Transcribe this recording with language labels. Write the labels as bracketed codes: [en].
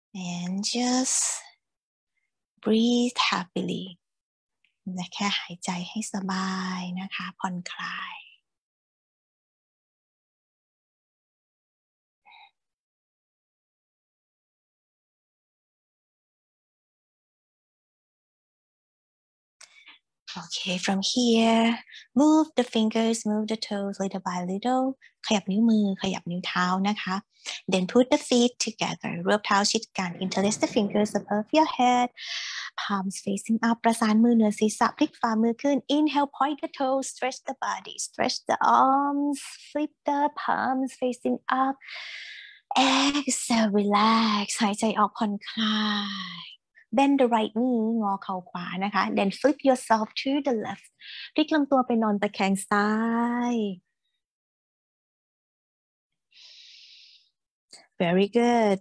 [en] and just breathe happily [th] และแค่หายใจให้สบายนะคะผ่อนคลาย [en] Okay, from here, move the fingers, move the toes little by little. [th] ขยับนิ้วมือ ขยับนิ้วเท้านะคะ [en] Then put the feet together. [th] รวบเท้าชิดกัน [en] Interlace the fingers above your head. Palms facing up. [th] ประสานมือเหนือศีรษะ พลิกฝ่ามือขึ้น [en] Inhale, point the toes, stretch the body. Stretch the arms, flip the palms facing up. Exhale, relax. [th] หายใจออกผ่อนคลาย [en] Bend the right knee, [th] งอเข่าขวานะคะ [en] Then flip yourself to the left. [th] พลิกลำตัวไปนอนตะแคงซ้าย [en] Very good.